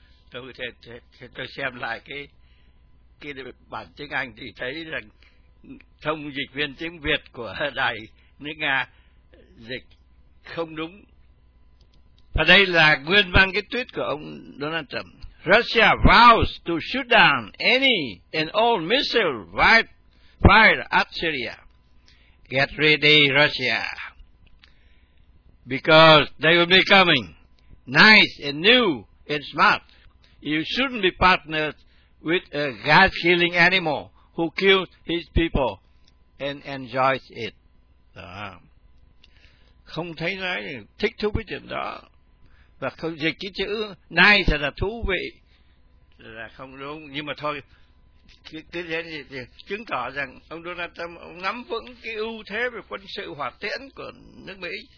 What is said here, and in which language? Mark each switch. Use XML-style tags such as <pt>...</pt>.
<vi>Tôi xem lại cái bản tiếng Anh thì thấy rằng thông dịch viên tiếng Việt của đài nước Nga dịch không đúng. Và đây là nguyên văn cái tweet của ông Donald Trump:</vi> <en>Russia vows to shoot down any and all missile fired at Syria. Get ready, Russia, because they will be coming. Nice and new and smart. You shouldn't be partnered with a God-killing animal who killed his people and enjoys it.</en> <vi>Đó. Không thấy nói thích thú với chuyện đó. Và không dịch cái chữ nice là thú vị là không đúng. Nhưng mà thôi, cứ thế thì chứng tỏ rằng ông Donald Trump ông nắm vững cái ưu thế về quân sự hỏa tiễn của nước Mỹ.</vi>